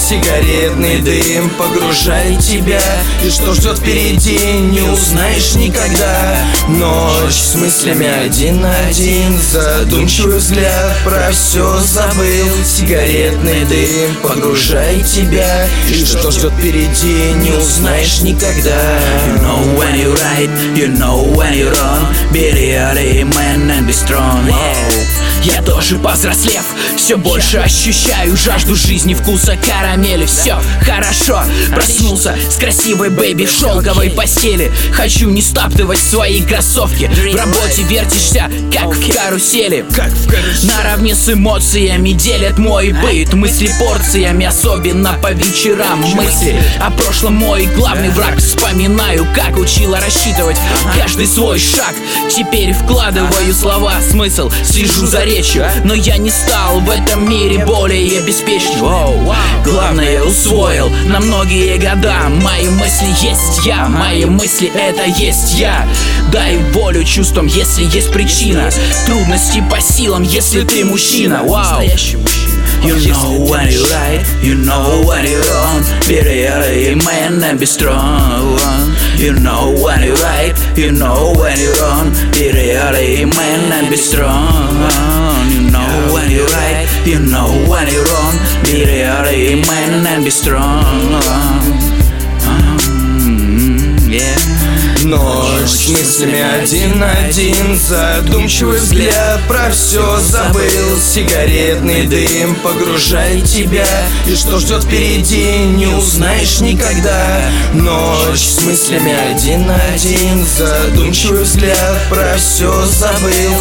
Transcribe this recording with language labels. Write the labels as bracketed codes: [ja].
[ru] Сигаретный дым погружает тебя, и что ждет впереди, не узнаешь никогда. Ночь с мыслями один на один, задумчивый взгляд, про все забыл. Сигаретный дым погружает тебя, и что ждет впереди, не узнаешь никогда. [en] You know when you right, you know when you wrong, be really man and be strong, yeah. [ru] Я тоже повзрослев, все больше ощущаю жажду жизни, вкуса карамели. Все хорошо, проснулся с красивой бэйби в шелковой постели. Хочу не стаптывать свои кроссовки. В работе вертишься, как в карусели. Наравне с эмоциями делят мой быт. Мысли порциями, особенно по вечерам. Мысли о прошлом мой главный враг. Вспоминаю, как учила рассчитывать каждый свой шаг. Теперь вкладываю слова смысл, слежу за речью. Но я не стал в этом мире более беспечным. Главное усвоил на многие года. Мои мысли есть я, мои мысли это есть я. Дай волю чувствам, если есть причина. Трудности по силам, если ты мужчина. [en] You know when you right, you know when you wrong. Be really man and be strong. You know when you right, you know when you wrong. Be really man and be strong. You know when you right, you know when you wrong. Be really man and be strong. [ru] Ночь с мыслями один на один, задумчивый взгляд, про все забыл. Сигаретный дым погружает тебя, и что ждет впереди, не узнаешь никогда. Ночь с мыслями один на один, задумчивый взгляд, про все забыл.